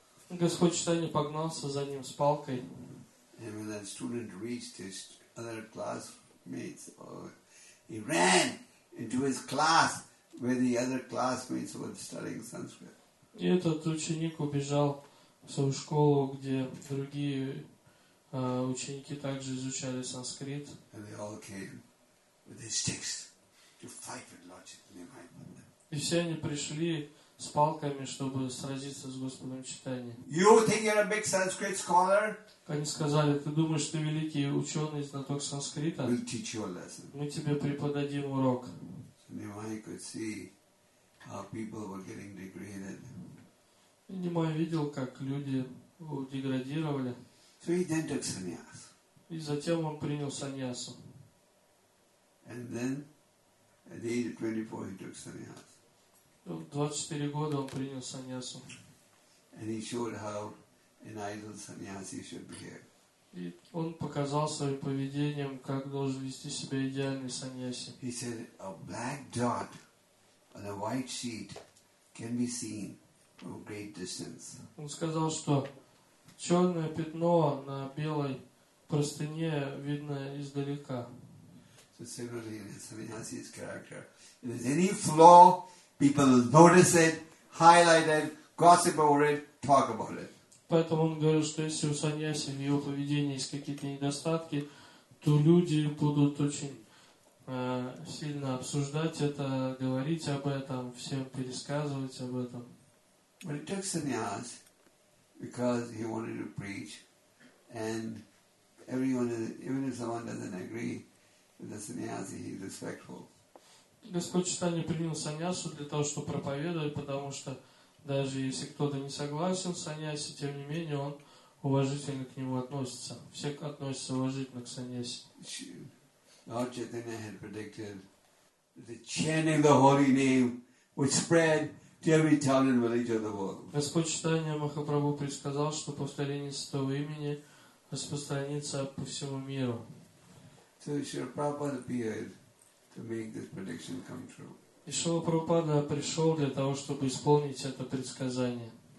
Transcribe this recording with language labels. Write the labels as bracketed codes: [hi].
[ru] Господь Читания погнался за ним с палкой. [en] And when that student reached his other classmates, he ran into his class, where the other classmates were studying Sanskrit. [ru] И этот ученик убежал в свою школу, где другие ученики также изучали санскрит. [en] And they all came with their sticks to fight with Lord Chaitanya. [ru] И все они пришли с палками, чтобы сразиться с Господом Читания. [en] You think you're a big Sanskrit scholar? [ru] Они сказали, ты думаешь, ты великий ученый, знаток санскрита? [en] We'll teach you a lesson. [ru] Мы тебе преподадим урок. [en] Nimai could see how people were getting degraded. [ru] Nimai видел, как люди деградировали. [en] So he then took sannyas. [ru] И затем он принял саньясу. [en] And then, at the age of 24, he took sannyas. [ru] В 24 года он принял саньясу. [en] And he showed how an idle sannyasi should behave. [ru] И он показал своим поведением, как должен вести себя идеальный саньяси. [en] He said, a black dot on a white sheet can be seen from great distance. [ru] Он сказал, что черное пятно на белой простыне видно издалека. [en] So similarly, in Sannyasi's character, if there's any flaw, people will notice it, highlight it, gossip over it, talk about it. [ru] Поэтому он говорил, что если у саньяси в его поведении есть какие-то недостатки, то люди будут очень сильно обсуждать это, говорить об этом, всем пересказывать об этом. [en] But it took sannyas because he wanted to preach, and everyone, even if someone doesn't agree with the sannyasi, he's respectful. [ru] Господь Читания принял саньясу для того, чтобы проповедовать, потому что даже если кто-то не согласен с саньяси, тем не менее он уважительно к нему относится. Все относятся уважительно к саньяси. [en] Lord Chaitanya had predicted the chanting of the holy name would spread to every town and village of the world. [ru] Господь Читания Махапрабху предсказал, что повторение святого имени распространится по всему миру. [en] So Srila Prabhupada appeared to make this prediction come true. [ru] И Шрила Прабхупада пришел для того, чтобы исполнить это предсказание.